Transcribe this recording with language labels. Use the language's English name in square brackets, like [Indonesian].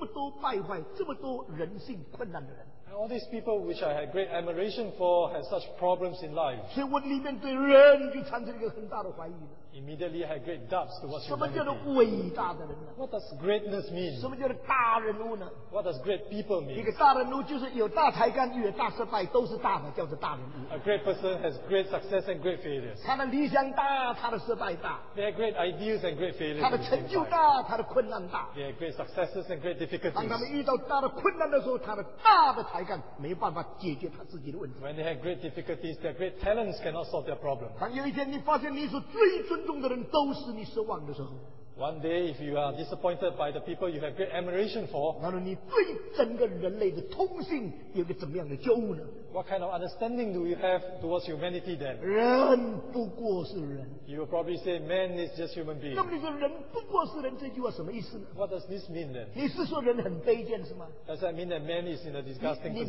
[Chinese] 那么这些我最佩服的人原来是一个这么多败坏这么多人性困难的人, [English] all these people which I had great admiration for had such problems in life. [Chinese] 所以我里面对人就产生一个很大的怀疑了。 [English] Immediately I had great doubts towards humanity. [Chinese] 什么叫做伟大的人呢? [English] What does greatness mean? [Chinese] 什么叫做大人物呢? [English] What does great people mean? [Chinese] 一个大人物就是有大才干，有大失败，都是大的，叫做大人物。 [English] A great person has great success and great failures. [Chinese] 他的理想大，他的失败大。 [English] They have great ideas and great failures. [Chinese] 他的成就大，他的困难大。 [English] They have great successes and great difficulties. [Chinese] 当他们遇到大的困难的时候，他的大的才干没办法解决他自己的问题。 [English] When they have great difficulties, their great talents cannot solve their problem. [Chinese] 当有一天你发现你所最尊重的人都是你失望的时候， [English] one day if you are disappointed by the people you have great admiration for, what kind of understanding do you have towards humanity then? [Chinese] 人不过是人, [English] you will probably say man is just human being. [Chinese] 那么你说人不过是人, 这句话什么意思呢? [English] What does this mean then? [Chinese] 你是说人很卑贱是吗? [English] Does that mean that man is in a disgusting position?